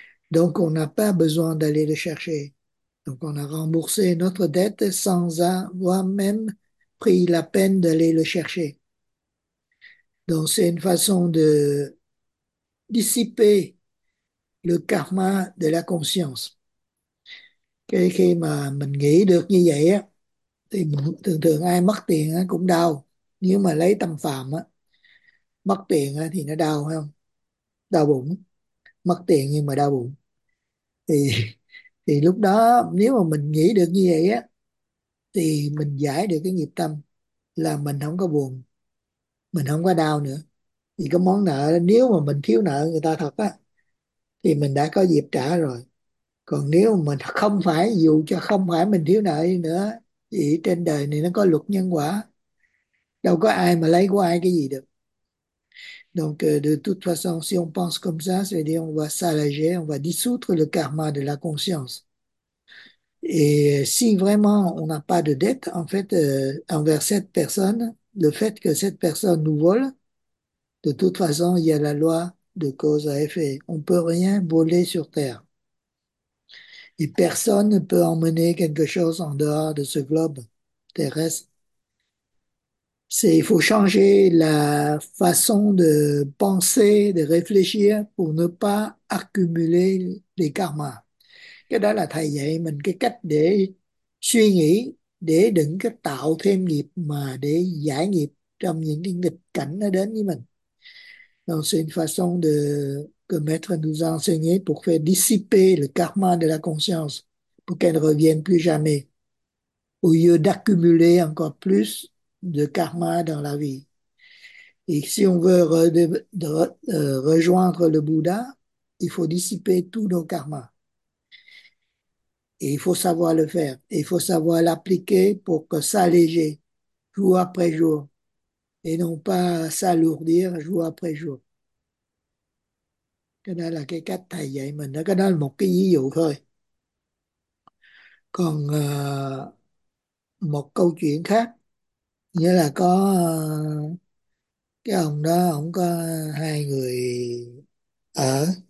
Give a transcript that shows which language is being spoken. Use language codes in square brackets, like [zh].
[fr] Donc, on n'a pas besoin d'aller le chercher. Donc, on a remboursé notre dette sans avoir même pris la peine d'aller le chercher. Donc, c'est une façon de dissiper le karma de la conscience. [vi] Mà mình nghĩ được như vậy á, thì thường thường ai mất tiền á cũng đau. Nếu mà lấy tâm phàm á, mất tiền á thì nó đau phải không? Đau bụng. Mất tiền nhưng mà đau bụng. Thì lúc đó nếu mà mình nghĩ được như vậy á, thì mình giải được cái nghiệp tâm là mình không có buồn, mình không có đau nữa. Vì cái món nợ, nếu mà mình thiếu nợ người ta thật á, thì mình đã có dịp trả rồi. Còn nếu mà mình không phải, dù cho không phải mình thiếu nợ đi nữa, thì trên đời này nó có luật nhân quả, đâu có ai mà lấy của ai cái gì được. [fr] Donc, de toute façon, si on pense comme ça, c'est-à-dire on va s'alléger, on va dissoudre le karma de la conscience. Et si vraiment on n'a pas de dette, en fait, envers cette personne, le fait que cette personne nous vole, de toute façon, il y a la loi de cause à effet. On ne peut rien voler sur Terre. Et personne ne peut emmener quelque chose en dehors de ce globe terrestre. Il faut changer la façon de penser, de réfléchir pour ne pas accumuler les karmas. [vi] Cái đó là thầy dạy mình cái cách để suy nghĩ, để đừng có tạo thêm nghiệp mà để giải nghiệp trong những cái nghịch cảnh nó đến với mình. [fr] Donc, c'est une façon de que maître nous a enseigné pour faire dissiper le karma de la conscience, pour qu'elle ne revienne plus jamais, au lieu d'accumuler encore plus de karma dans la vie. Et si on veut rejoindre le Bouddha, il faut dissiper tous nos karmas. Et il faut savoir le faire. Et il faut savoir l'appliquer pour que s'alléger jour après jour. Et non pas s'alourdir jour après jour. [vi] Cái đó là cái cách thầy dạy mình đó. Cái đó là một cái ví dụ thôi. Còn một câu chuyện khác. Nghĩa là có cái ông đó, ông có hai người ở.